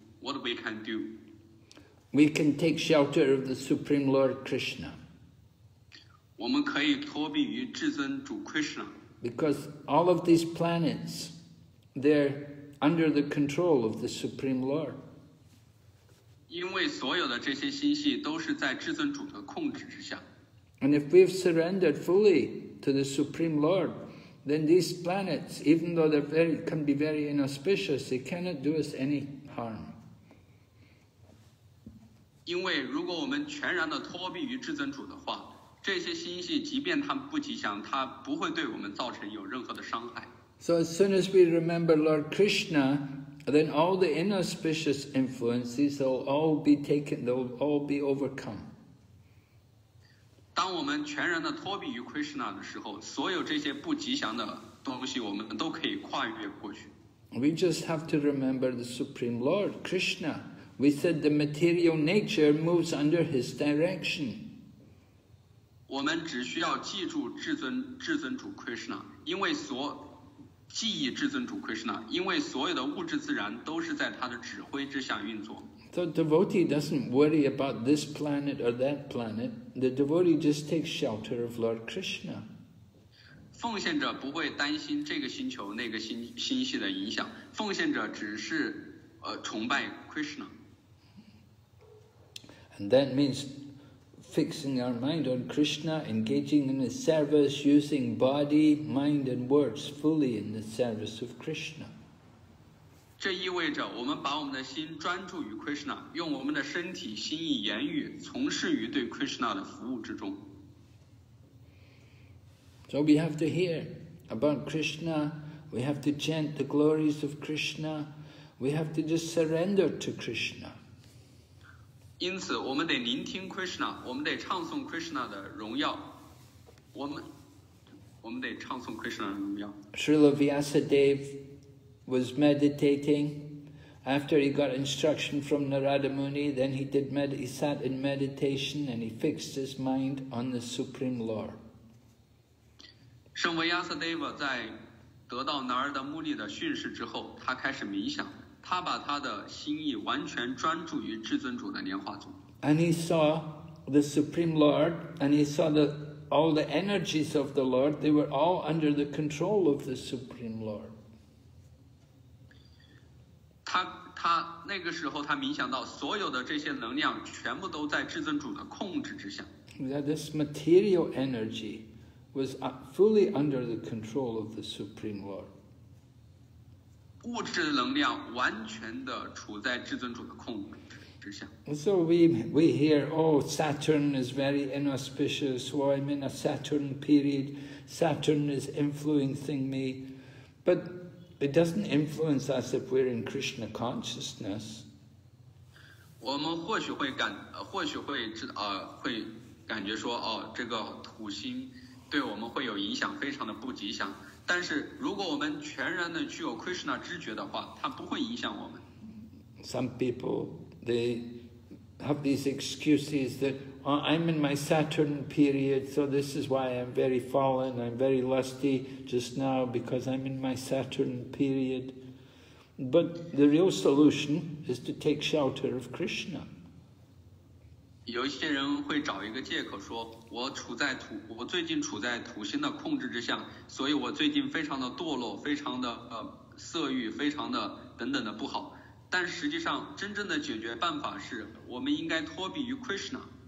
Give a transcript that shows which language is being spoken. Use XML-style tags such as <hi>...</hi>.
<en>What we can do? We can take shelter of the Supreme Lord Krishna.</en> <zh>我们可以托庇于至尊主 Krishna.</zh> <en>Because all of these planets, they're under the control of the Supreme Lord.</en> <zh>因为所有的这些星系都是在至尊主的控制之下。</zh> <en>And if we've surrendered fully to the Supreme Lord, then these planets, even though they're very, can be very inauspicious, they cannot do us any harm.</en> <zh>因为如果我们全然的托庇于至尊主的话，这些星系即便它不吉祥，它不会对我们造成有任何的伤害。</zh> <en>So as soon as we remember Lord Krishna,then all the inauspicious influences will all be taken, they'll all be overcome.</en> <zh>当我们全然的托庇于 Krishna 的时候，所有这些不吉祥的东西我们都可以跨越过去。</zh> <en>We just have to remember the Supreme Lord, Krishna. We said the material nature moves under his direction.</en> <zh>我们只需要记住至尊主 Krishna, 因为所记忆至尊主 Krishna， 因为所有的物质自然都是在他的指挥之下运作。</zh> <en>So devotee doesn't worry about this planet or that planet. The devotee just takes shelter of Lord Krishna.</en> <zh>奉献者不会担心这个星球那个星系的影响。奉献者只是崇拜 Krishna.</zh> <en>And that means fixing our mind on Krishna, engaging in his service, using body, mind, and words fully in the service of Krishna.</en> <zh>这意味着我们把我们的心专注于 Krishna， 用我们的身体、心意、言语从事于对 Krishna 的服务之中。</zh> <en>So we have to hear about Krishna. We have to chant the glories of Krishna. We have to just surrender to Krishna.</en> <zh>因此，我们得聆听 Krishna， 我们得唱诵 Krishna 的荣耀。我们得唱诵 Krishna 的荣耀。</zh> <en>Srila Vyasadeva was meditating after he got instruction from Narada Muni. Then he sat in meditation and he fixed his mind on the Supreme Lord.</en> <zh>圣维亚萨德瓦在得到南尔达穆尼的训示之后，他开始冥想。他把他的心意完全专注于至尊主的莲花宗。</zh> <en>And he saw the Supreme Lord, and he saw that all the energies of the Lord, they were all under the control of the Supreme Lord.</en> <zh>他那个时候他冥想到所有的这些能量全部都在至尊主的控制之下。</zh> <en>That this material energy was fully under the control of the Supreme Lord.</en> <zh>物质能量完全的处在至尊主的控制之下。</zh> <en>So we hear, oh, Saturn is very inauspicious. Oh, I'm in a Saturn period. Saturn is influencing me, but it doesn't influence us if we're in Krishna consciousness.</en> <zh>我们或许会感觉说，哦，这个土星对我们会有影响，非常的不吉祥。但是如果我们全然的具有 Krishna 知觉的话，它不会影响我们。</zh> <en>Some people, they have these excuses that, oh, I'm in my Saturn period, so this is why I'm very fallen, I'm very lusty just now, because I'm in my Saturn period. But the real solution is to take shelter of Krishna.</en> <zh>有些人会找一个借口说，我最近处在土星的控制之下，所以我最近非常的堕落，非常的色欲，非常的等等的不好。但实际上，真正的解决办法是我们应该托庇于 Krishna。</zh>